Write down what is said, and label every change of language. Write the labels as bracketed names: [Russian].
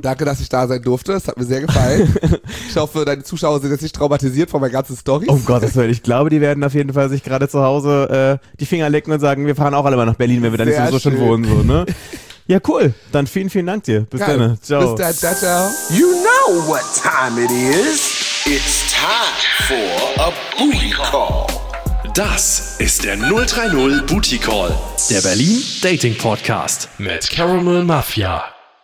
[German] Danke, dass ich da sein durfte. Es hat mir sehr gefallen. Ich hoffe, deine Zuschauer sind jetzt nicht traumatisiert von meinen ganzen Storys. Oh Gott, das will ich. Glaube, die werden auf jeden Fall sich gerade zu Hause die Finger lecken und sagen, wir fahren auch alle mal nach Berlin, wenn wir dann sowieso schon wohnen. So, ne? Ja, cool. Dann vielen, vielen Dank dir. Bis dann. Ciao. Bis dann. Ciao, ciao. [English] You know what time it is. It's time for a booty call. [German] Das ist der 030 Booty Call. Der Berlin Dating Podcast mit Caramel Mafia.